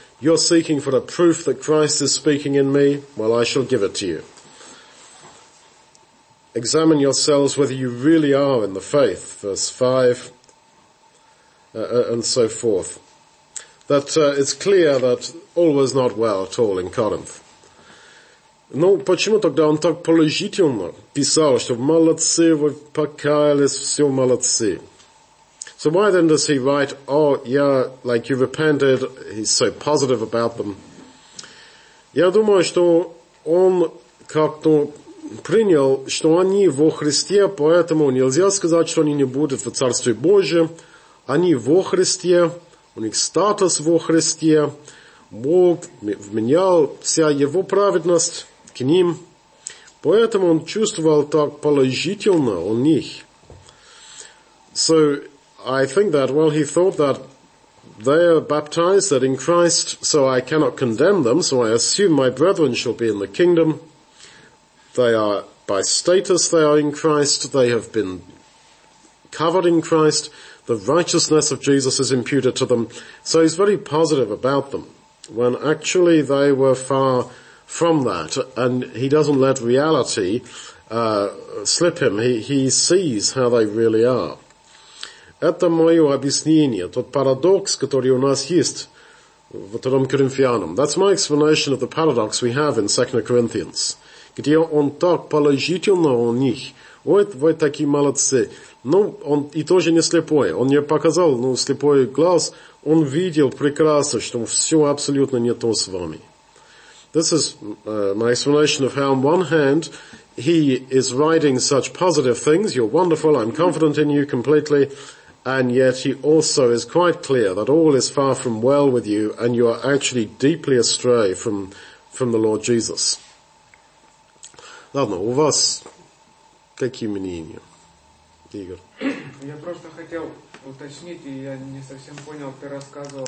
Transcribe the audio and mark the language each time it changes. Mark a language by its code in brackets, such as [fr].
[en] You're seeking for a proof that Christ is speaking in me? Well, I shall give it to you. Examine yourselves whether you really are in the faith, verse 5, and so forth. That it's clear that all was not well at all in Corinth. [ru] Ну, почему тогда он так положительно писал, что молодцы, вы покаялись, все молодцы? [en] So why then does he write, oh, yeah, like you repented, he's so positive about them? [ru] Я думаю, что он как-то принял, что они во Христе, поэтому нельзя сказать, что они не будут в Царстве Божьем. Они во Христе. У них статус во Христе, Бог вменял вся его праведность к ним, поэтому он чувствовал так положительно о них. [en] So, I think that, well, he thought that they are baptized, that in Christ, so I cannot condemn them, so I assume my brethren shall be in the kingdom. They are, by status, they are in Christ, they have been covered in Christ. The righteousness of Jesus is imputed to them. So he's very positive about them, when actually they were far from that. And he doesn't let reality slip him. He sees how they really are. [ru] Это мое объяснение, тот парадокс, который у нас есть. вторым коринфянам. [en] That's my explanation of the paradox we have in 2 Corinthians. [ru] Где он так положительно у них. Вот вы такие молодцы. Ну, он и тоже не слепой. Он мне показал, ну, слепой глаз. Он видел прекрасно, что все абсолютно не то с вами. [en] This is my explanation of how on one hand he is writing such positive things. You're wonderful. I'm confident in you completely. And yet he also is quite clear that all is far from well with you and you are actually deeply astray from the Lord Jesus. [ru] Ладно, у вас какие мнения, Игорь? Я просто хотел уточнить, и я не совсем понял, ты рассказывал,